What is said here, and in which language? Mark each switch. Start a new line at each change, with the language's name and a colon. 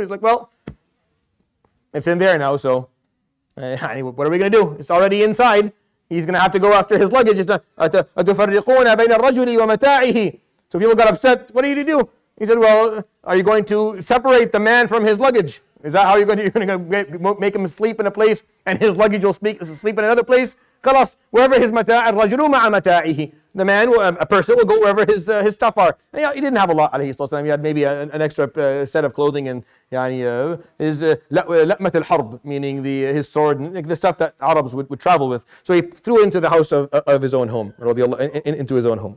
English: He's like, well, it's in there now, so what are we going to do? It's already inside. He's going to have to go after his luggage.
Arabic: أَتُفَرِّقُونَ بَيْنَ الرَّجُلِ وَمَتَاعِهِ.
English: So people got upset. What are you going to do? He said, well, are you going to separate the man from his luggage? Is that how you're going to make him sleep in a place and his luggage will sleep in another place?
Arabic: خلاص,
English: wherever his
Arabic: متاع, الرجل مع متاعه.
English: The man, a person, will go wherever his stuff are. And he didn't have a lot, alayhi sallallahu alayhi. He had maybe an extra set of clothing and his لأمة الحرب, meaning his sword, and the stuff that Arabs would travel with. So he threw into the house of his own home, into his own home.